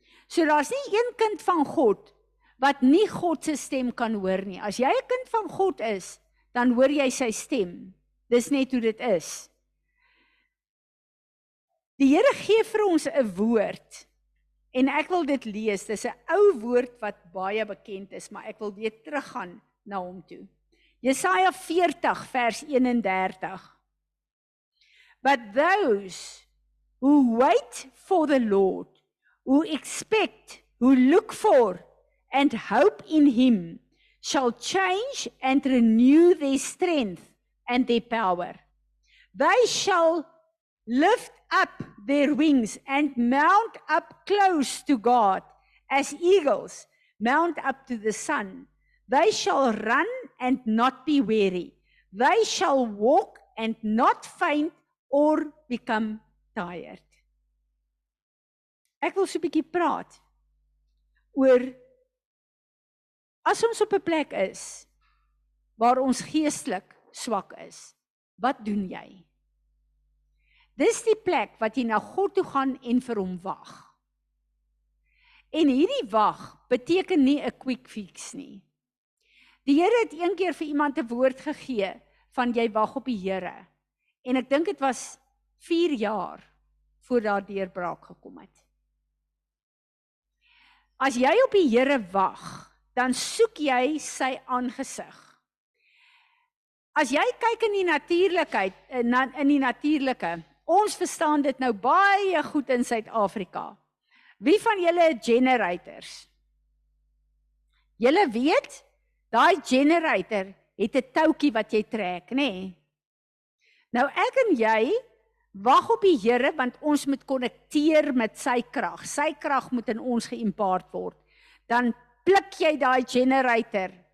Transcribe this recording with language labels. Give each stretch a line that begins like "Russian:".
Afrikaans: So daar's nie een kind van God wat nie God se stem kan hoor nie. As jy 'n kind van God is, dan hoor jy sy stem. Dis net hoe dit is. Die Here gee vir ons 'n woord. En ek wil dit lees. Dis 'n ou woord wat baie bekend is, maar ek wil weer teruggaan na hom toe. Jesaja 40 vers 31.
English: But those who wait for the Lord, who expect, who look for and hope in him, shall change and renew their strength and their power. They shall lift up their wings and mount up close to God as eagles mount up to the sun. They shall run and not be weary. They shall walk and not faint or become tired.
Afrikaans: Ek wil so 'n bietjie praat oor as ons op 'n plek is waar ons geestelik swak is, wat doen jy? Dis die plek wat jy na God toe gaan en vir hom wag. En hierdie wag beteken nie 'n quick fix nie. Die Here het een keer vir iemand 'n woord gegee van jy wag op die Here. En ek dink dit was 4 jaar voor daar deurbraak gekom het. As jy op die Here wag, dan soek jy sy aangesig. As jy kyk in die natuurlikheid, in die natuurlike, ons verstaan dit nou baie goed in Suid-Afrika. Wie van julle het generators? Julle weet, daai generator het 'n toutjie wat jy trek, nê? Nee. Nou ek en jy wag op die Here want ons moet konnekteer met sy krag. Sy krag moet in ons geïmpaard word. Dan pluk jy daai generator.